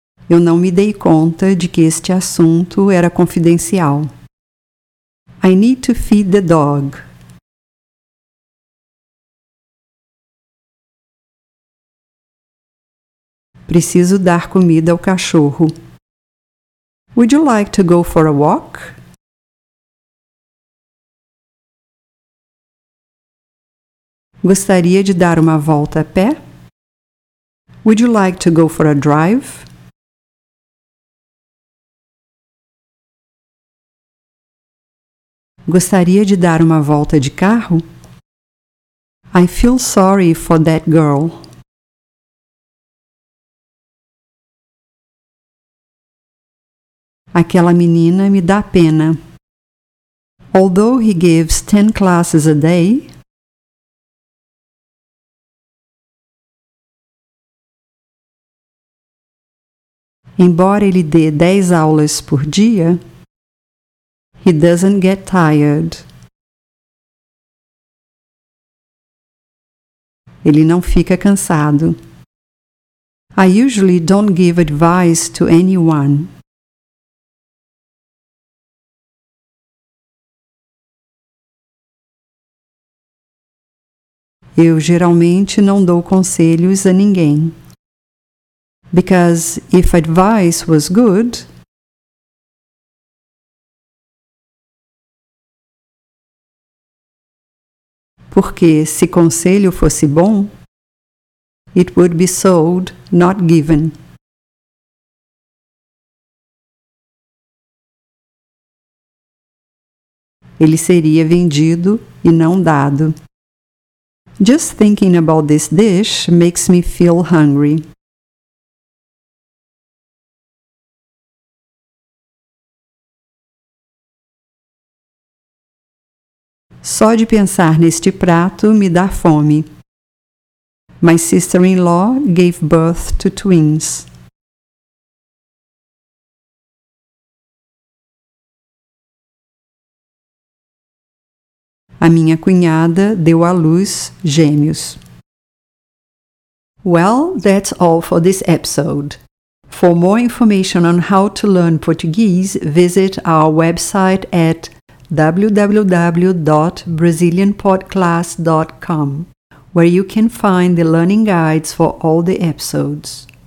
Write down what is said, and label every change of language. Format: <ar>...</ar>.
<pt>Eu não me dei conta de que este assunto era confidencial.</pt> <en>I need to feed the dog.</en> <pt>Preciso dar comida ao cachorro.</pt> <en>Would you like to go for a walk?</en> <pt>Gostaria de dar uma volta a pé?</pt> <en>Would you like to go for a drive?</en> <pt>Gostaria de dar uma volta de carro?</pt> <en>I feel sorry for that girl.</en> <pt>Aquela menina me dá pena.</pt> <en>Although he gives 10 classes a day,</en> <pt>embora ele dê 10 aulas por dia,</pt> <en>he doesn't get tired.</en> <pt>Ele não fica cansado.</pt> <en>I usually don't give advice to anyone.</en> <pt>Eu geralmente não dou conselhos a ninguém.</pt> <en>Because if advice was good,</en> <pt>porque se conselho fosse bom,</pt> <en>it would be sold, not given.</en> <pt>Ele seria vendido e não dado.</pt> <en>Just thinking about this dish makes me feel hungry.</en> <pt>Só de pensar neste prato me dá fome.</pt> <en>My sister-in-law gave birth to twins.</en> <pt>A minha cunhada deu à luz gêmeos.</pt> <en>Well, that's all for this episode. For more information on how to learn Portuguese, visit our website at www.brazilianpodclass.com, where you can find the learning guides for all the episodes.</en>